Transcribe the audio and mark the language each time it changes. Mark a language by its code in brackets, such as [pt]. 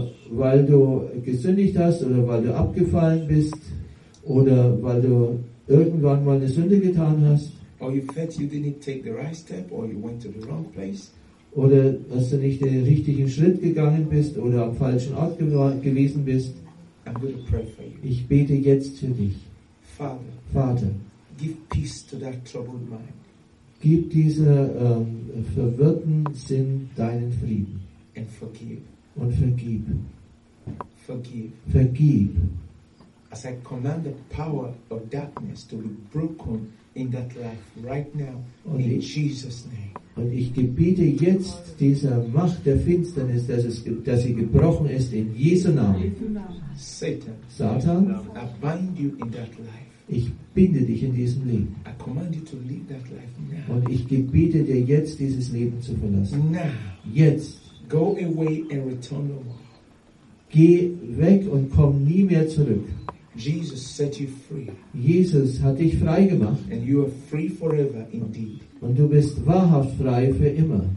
[de] Weil du gesündigt hast, oder weil du abgefallen bist, oder weil du irgendwann mal eine Sünde getan hast. [en] Or you felt you didn't take the right step, or you went to the wrong place. [de] Oder dass du nicht den richtigen Schritt gegangen bist, oder am falschen Ort gewesen bist. [en] I'm going to pray for you. [de] Ich bete jetzt für dich. [en] Father. [de] Vater. [en] Give peace to that troubled mind. [de] Gib dieser verwirrten Sinn deinen Frieden. [en] And forgive. [de] Und vergib. [en] Forgive. [de] Vergib. [en] As I command the power of darkness to be broken in that life right now, und in Jesus' name. [de] Und ich gebiete jetzt dieser Macht der Finsternis, dass sie gebrochen ist in Jesu Namen. [en] Satan. [de] Satan. [en] I bind you in that life. [de] Ich binde dich in diesem Leben. [en] I command you to leave that life now. [de] Und ich gebiete dir jetzt, dieses Leben zu verlassen. [en] Now. [de] Jetzt. [en] Go away and return no more. [de] Geh weg und komm nie mehr zurück. [en] Jesus set you free. [de] Jesus hat dich frei gemacht. [en] And you are free forever indeed. [de] Und du bist wahrhaft frei für immer.